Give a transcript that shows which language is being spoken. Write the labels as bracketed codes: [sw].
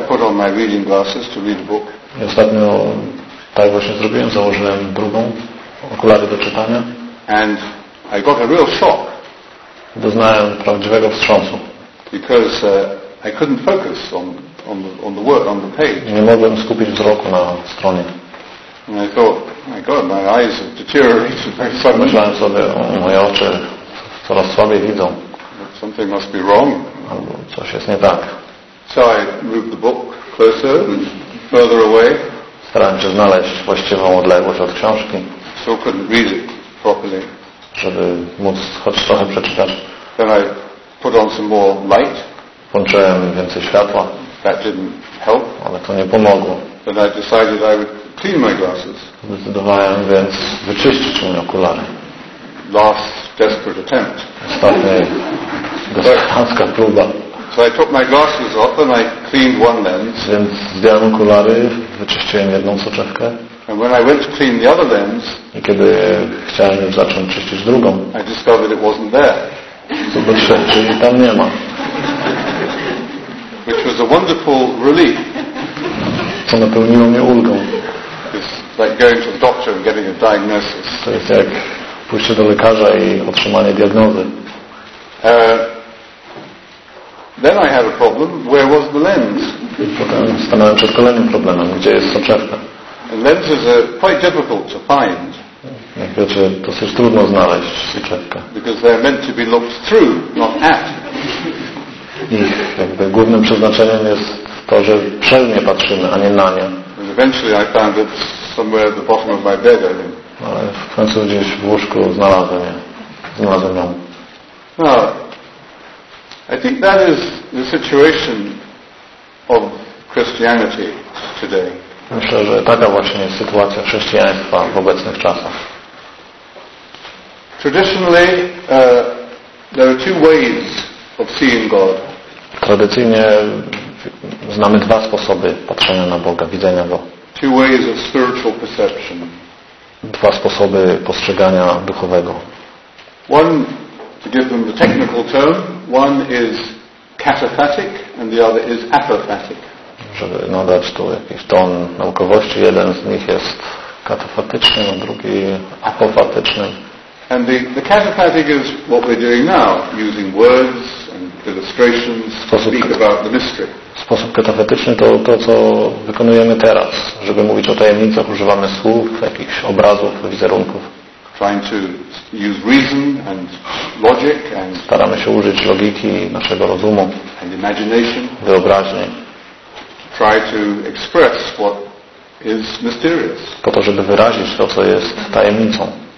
[en] I put on my reading glasses to read a book. [pl] I ostatnio tak właśnie zrobiłem. Założyłem drugą okulary do czytania. [en] And I got a real shock. [pl] Doznałem prawdziwego wstrząsu. [en] Because I couldn't focus on the word on the page. [pl] Nie mogłem skupić wzroku na stronie. [en] And I thought, my God, my eyes have deteriorated very suddenly. [pl] Myślałem sobie, moje oczy coraz słabiej widzą. [en] Something must be wrong. [pl] Albo coś jest nie tak. [en] So I moved the book closer and further away. [pl] Starałem się znaleźć właściwą odległość od książki. [en] So couldn't read it properly. [pl] Żeby móc choć trochę przeczytać. [en] Then I put on some more light. [pl] Włączyłem więcej światła. [en] That didn't help. [pl] Ale to nie pomogło. [en] Then I decided I would clean my glasses. [pl] Zdecydowałem więc wyczyścić mi okulary. [en] Last desperate attempt. [pl] Ostatnia desperacka próba. [en] So I took my glasses off and I cleaned one lens. [pl] Więc zdjąłem okulary, wyczyściłem jedną soczewkę. [en] And when I went to clean the other lens, [pl] i kiedy chciałem już zacząć czyścić drugą, [en] I discovered it wasn't there. [pl] Zobaczyłem, że jej tam nie ma. [en] Which was a wonderful relief. [pl] Co napełniło mnie ulgą. [en] It's like going to the doctor and getting a diagnosis. [pl] To jest jak pójście do lekarza i otrzymanie diagnozy. [en] Then I had a problem. Where was the lens? [pl] Potem stanąłem przed kolejnym problemem. Gdzie jest soczewka? [en] And lenses are quite difficult to find. [pl] Jak wiecie, dosyć trudno znaleźć soczewkę. [en] Because they're meant to be looked through, not at. [pl] Ich jakby głównym przeznaczeniem jest to, że przez nie patrzymy, a nie na nie. [en] And eventually I found it somewhere at the bottom of my bed. [pl] Ale w końcu gdzieś w łóżku znalazłem ją. [en] Now, I think that is the situation of Christianity today. [pl] Myślę, że taka właśnie jest sytuacja chrześcijaństwa w obecnych czasach. [en] Traditionally, there are two ways of seeing God. [pl] Tradycyjnie znamy dwa sposoby patrzenia na Boga, widzenia Go. [en] Two ways of spiritual perception. [pl] Dwa sposoby postrzegania duchowego. [en] One, to give them the technical term, one is cataphatic and the other is apophatic. [pl] Żeby nadać tu jakiś ton naukowości, jeden z nich jest kataphatyczny, a drugi apophatyczny. [en] And the cataphatic is what we're doing now, using words and illustrations to speak about the mystery. [pl] Sposób katafetyczny to to, co wykonujemy teraz. Żeby mówić o tajemnicach, używamy słów, jakichś obrazów, wizerunków. [en] Trying to use reason and logic and [pl] staramy się użyć logiki naszego rozumu [en] and imagination, [pl] wyobraźni. [en] Try to express what is mysterious. [pl] Po to, żeby wyrazić to, co jest tajemnicą.